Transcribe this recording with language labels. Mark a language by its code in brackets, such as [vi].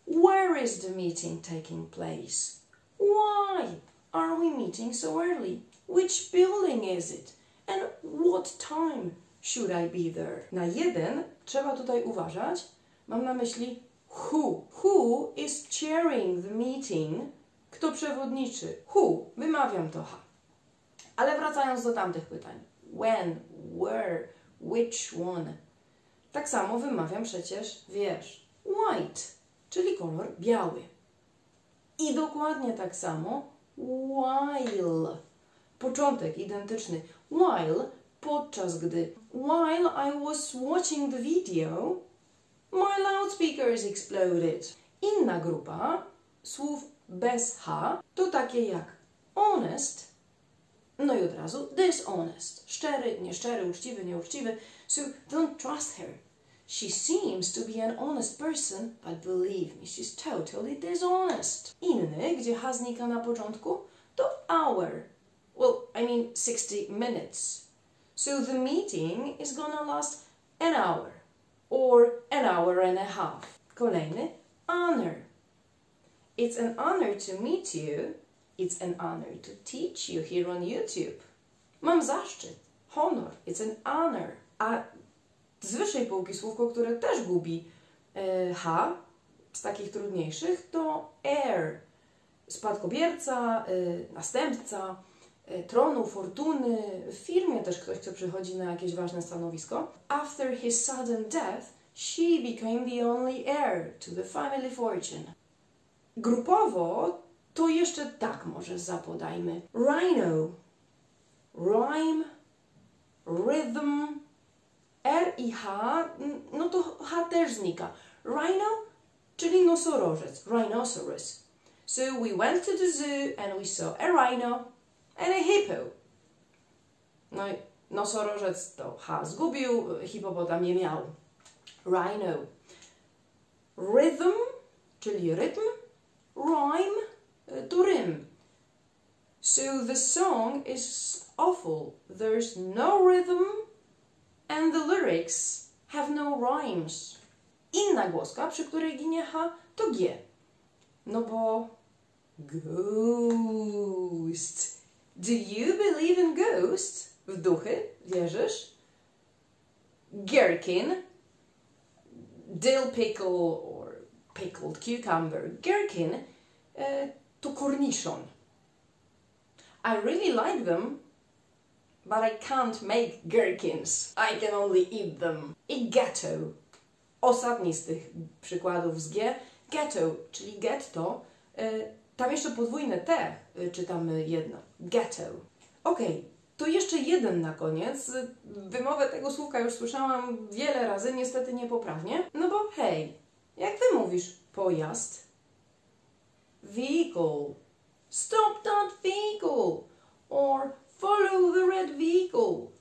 [en] Where is the meeting taking place? Why are we meeting so early? Which building is it? And what time should I be there? [pl] Na jeden trzeba tutaj uważać. Mam na myśli who. [en] Who is chairing the meeting? [pl] Kto przewodniczy? Who? Wymawiam to H. Ale wracając do tamtych pytań. [en] When? Where? Which one? [pl] Tak samo wymawiam przecież, wiesz, white, czyli kolor biały. I dokładnie tak samo while. Początek identyczny. While, podczas gdy. [en] While I was watching the video, my loudspeakers exploded. [pl] Inna grupa słów bez H to takie jak honest, no i od razu dishonest. Szczery, nieszczery, uczciwy, nieuczciwy. [en] So don't trust her. She seems to be an honest person, but believe me, she's totally dishonest. [pl] Inny, gdzie H znika na początku, to hour. [en] Well, I mean 60 minutes. So the meeting is gonna last an hour. Or an hour and a half. [pl] Kolejny, [en] honor. It's an honor to meet you. It's an honor to teach you here on YouTube. [pl] Mam zaszczyt. [en] Honor. It's an honor. [pl] A z wyższej półki słówko, które też gubi H, z takich trudniejszych, to heir. Spadkobierca, następca, tronu, fortuny. W firmie też ktoś, kto przychodzi na jakieś ważne stanowisko. [en] After his sudden death, she became the only heir to the family fortune. [pl] Grupowo to jeszcze tak może zapodajmy. [en] Rhino. Rhyme. Rhythm. [pl] R i H, no to H też znika. Rhino, czyli nosorożec. Rhinoceros. [en] So we went to the zoo and we saw a rhino and a hippo. [pl] No i nosorożec to H zgubił, hipopotam nie miał. [en] Rhino. Rhythm, [pl] czyli rytm. [en] Rhyme [pl] to rym. [en] So the song is awful. There's no rhythm and the lyrics have no rhymes. [pl] Inna głoska, przy której ginie H, to G. No bo ghost. [en] Do you believe in ghosts? [pl] W duchy wierzysz? [en] Gherkin. Dill pickle or pickled cucumber. Gherkin. To cornichon. I really like them, but I can't make gherkins. I can only eat them. I ghetto. [pl] Ostatni z tych przykładów z G. Ghetto, czyli getto. Tam jeszcze podwójne T czytamy jedno. Ghetto. Okej, okay, to jeszcze jeden na koniec. Wymowę tego słówka już słyszałam wiele razy, niestety niepoprawnie. No bo hej, jak ty mówisz pojazd? [en] Vehicle. Stop that vehicle. Or follow the red vehicle.